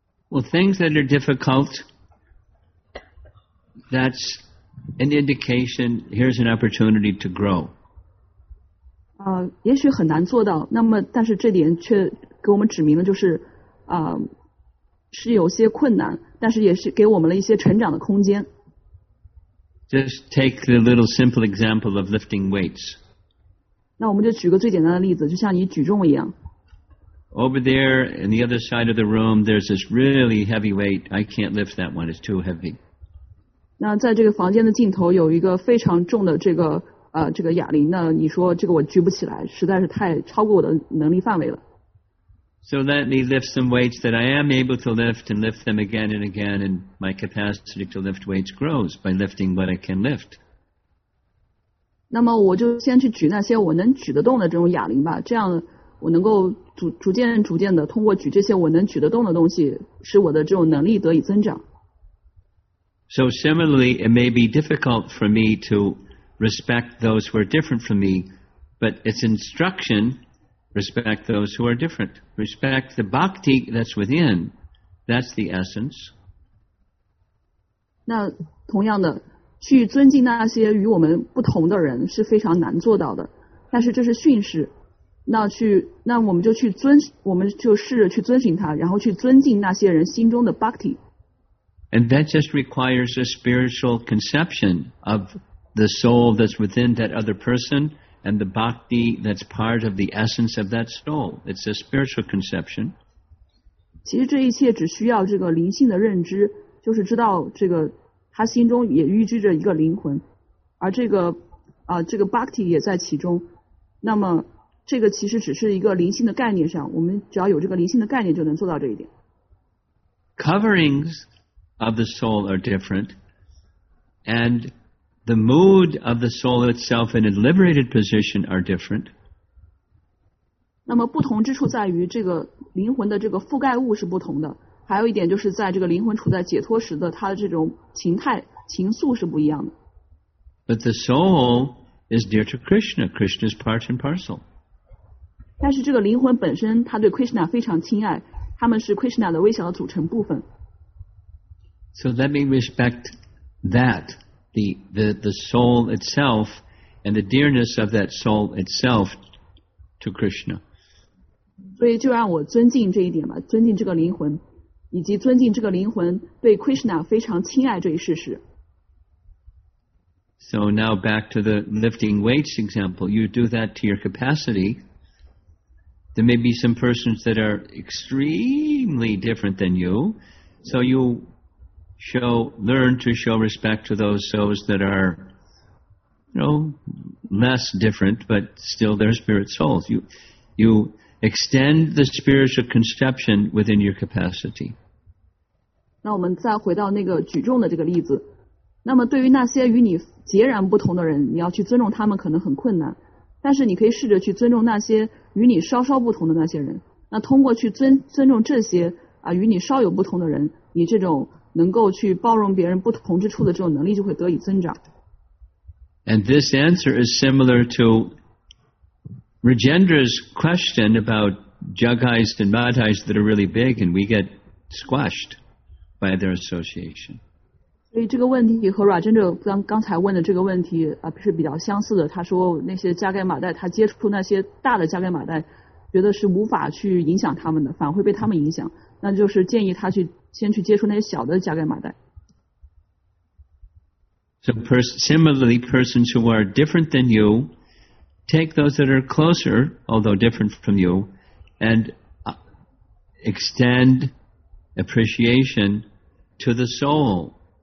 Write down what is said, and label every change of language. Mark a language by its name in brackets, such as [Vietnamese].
[English] Well, things that are difficult, that's an indication, here's an opportunity to grow. [Chinese] 也许很难做到，那么但是这点却给我们指明了，就是是有些困难，但是也是给我们了一些成长的空间。 [English] Just take the little simple example of lifting weights. [Chinese] 那我们就举个最简单的例子，就像你举重一样。 [English] Over there, in the other side of the room, there's this really heavy weight. I can't lift that one, it's too heavy. [Chinese] 那在这个房间的尽头有一个非常重的这个哑铃，那你说这个我举不起来，实在是太超过我的能力范围了。 [English] So let me lift some weights that I am able to lift and lift them again and again, and my capacity to lift weights grows by lifting what I can lift. [Chinese] 那么我就先去举那些我能举得动的这种哑铃吧，这样我能够逐渐的通过举这些我能举得动的东西，使我的这种能力得以增长。 [English] So similarly, it may be difficult for me to respect those who are different from me, but it's instruction, respect those who are different. Respect the bhakti that's within. That's the essence. [Chinese] 那同样的，去尊敬那些与我们不同的人是非常难做到的，但是这是训示。那我们就去遵，我们就试着去遵循他，然后去尊敬那些人心中的 bhakti。 [English] And that just requires a spiritual conception of the soul that's within that other person and the bhakti that's part of the essence of that soul. It's a spiritual conception. [Chinese] 其实这一切只需要这个灵性的认知，就是知道这个他心中也预知着一个灵魂，而这个这个 bhakti 也在其中。那么这个其实只是一个灵性的概念上，我们只要有这个灵性的概念就能做到这一点。 [English] Coverings. Of the soul are different, and the mood of the soul itself in a liberated position are different. [Chinese] 那么不同之处在于这个灵魂的这个覆盖物是不同的，还有一点就是在这个灵魂处在解脱时的它的这种情态情愫是不一样的。 [English] But the soul is dear to Krishna. Krishna's part and parcel. [Chinese] 但是这个灵魂本身它对 Krishna 非常亲爱，他们是 Krishna 的微小的组成部分。 [English] So let me respect that, the soul itself and the dearness of that soul itself to Krishna. [Chinese] 所以就让我尊敬这一点吧，尊敬这个灵魂，以及尊敬这个灵魂对 Krishna 非常亲爱这一事实。 [English] So now back to the lifting weights example. You do that to your capacity. There may be some persons that are extremely different than you. So you learn to show respect to those souls that are, you know, less different, but still their spirit souls. You extend the spiritual conception within your capacity. [Chinese] 那我们再回到那个举重的这个例子。那么对于那些与你截然不同的人，你要去尊重他们可能很困难，但是你可以试着去尊重那些与你稍稍不同的那些人。那通过去尊重这些啊与你稍有不同的人，你这种能够去包容别人不同之处的这种能力就会得以增长。 [English] And this answer is similar to Rajendra's question about Jagais and Madhais that are really big and we get squashed by their association. [Chinese] 所以这个问题和 Rajendra 刚才问的这个问题啊是比较相似的。他说那些加盖马代，他接触那些大的加盖马代，觉得是无法去影响他们的，反而会被他们影响。那就是建议他去先去接触那些小的加盖马代。 [English] So similarly, persons who are different than you, take those that are closer, although different from you, and extend appreciation to the soul.